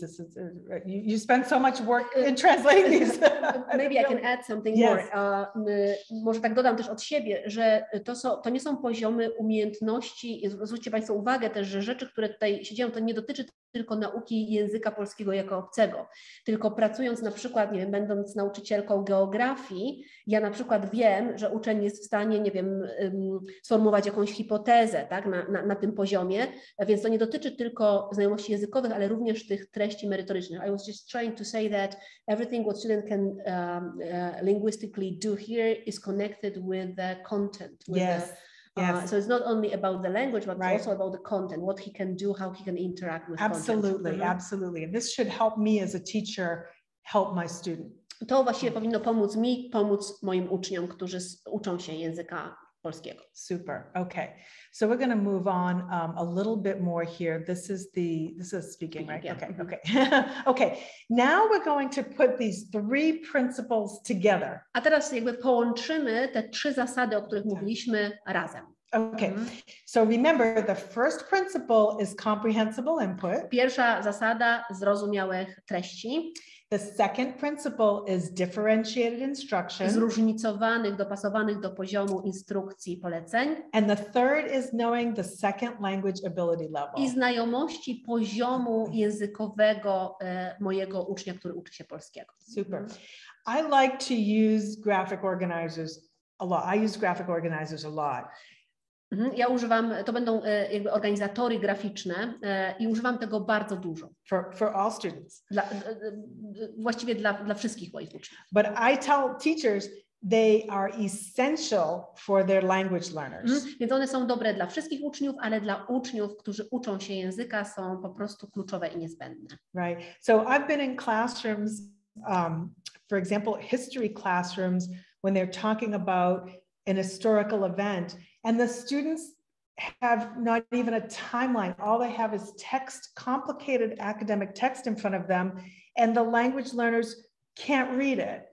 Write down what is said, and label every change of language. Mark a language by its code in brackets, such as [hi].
[en] This is, you spend so much work in translating these. Maybe I can add something more. [pl] Może tak dodam też od siebie, że to nie są poziomy umiejętności. Zwróćcie Państwo uwagę też, że rzeczy, które tutaj się dzieją, to nie dotyczy tylko nauki języka polskiego jako obcego. Tylko pracując na przykład, nie wiem, będąc nauczycielką geografii, ja na przykład wiem, że uczeń jest w stanie, nie wiem, sformułować jakąś hipotezę, tak, na tym poziomie, więc to nie dotyczy tylko znajomości językowych, ale również tych treści merytorycznych. [en] I was just trying to say that everything what student can linguistically do here is connected with the content. Yes. So it's not only about the language, but also about the content, what he can do, how he can interact with absolutely, content. Absolutely. And this should help me as a teacher help my student. [pl] To właściwie powinno pomóc mi, pomóc moim uczniom, którzy uczą się języka polskiego. [en] Super. Okay. So we're going to move on a little bit more here. This is speaking, right? Yeah. Okay. Okay. Okay. Now we're going to put these three principles together. [pl] A teraz jakby połączymy te trzy zasady, o których mówiliśmy, razem. [en] Okay. So remember, the first principle is comprehensible input. [pl] Pierwsza zasada, zrozumiałych treści. [en] The second principle is differentiated instruction. [pl] Zróżnicowanych, dopasowanych do poziomu instrukcji poleceń. [en] And the third is knowing the second language ability level. [pl] I znajomości poziomu językowego mojego ucznia, który uczy się polskiego. [en] Super. I like to use graphic organizers a lot. I use graphic organizers a lot. [pl] Ja używam, to będą jakby organizatory graficzne i używam tego bardzo dużo. [en] For all students. [pl] Właściwie dla wszystkich moich uczniów. [en] But I tell teachers they are essential for their language learners. [pl] Więc one są dobre dla wszystkich uczniów, ale dla uczniów, którzy uczą się języka, są po prostu kluczowe i niezbędne. [en] Right. So I've been in classrooms, for example, history classrooms, when they're talking about an historical event, and the students have not even a timeline. All they have is text, complicated academic text in front of them, and the language learners can't read it.